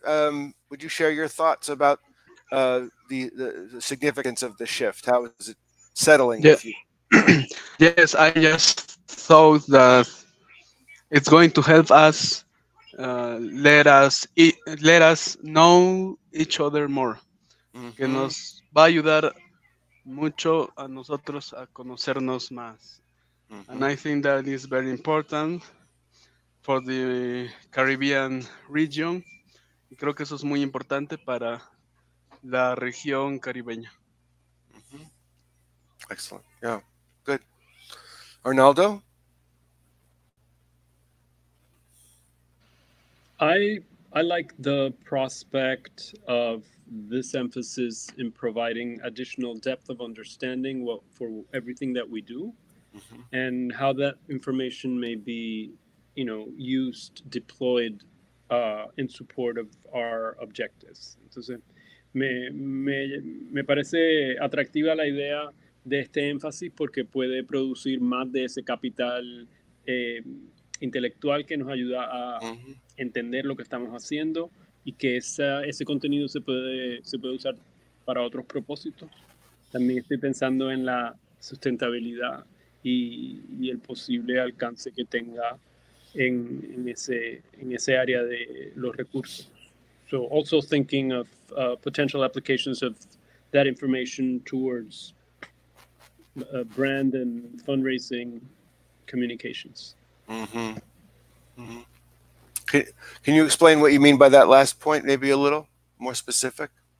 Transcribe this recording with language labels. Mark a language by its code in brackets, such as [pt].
[en] Would you share your thoughts about the significance of the shift? How is it settling? Yeah. Yes, I just thought that it's going to help us let us know each other more. Mm-hmm. [es] Que nos va a ayudar mucho a nosotros a conocernos más. Mm-hmm. [en] And I think that is very important for the Caribbean region. [es] Y creo que eso es muy importante para la región caribeña. [en] Mm-hmm. Excellent. Yeah. Good. Arnaldo? I I like the prospect of this emphasis in providing additional depth of understanding for everything that we do, mm-hmm. and how that information may be, you know, used, deployed in support of our objectives. [es] Entonces, me parece atractiva la idea de este énfasis porque puede producir más de ese capital intelectual que nos ayuda a entender lo que estamos haciendo y que ese contenido se puede usar para otros propósitos. También estoy pensando en la sustentabilidad y el posible alcance que tenga en ese área de los recursos. [en] So also thinking of potential applications of that information towards brand and fundraising communications. Can you explain what you mean by that last point, maybe a little more specific?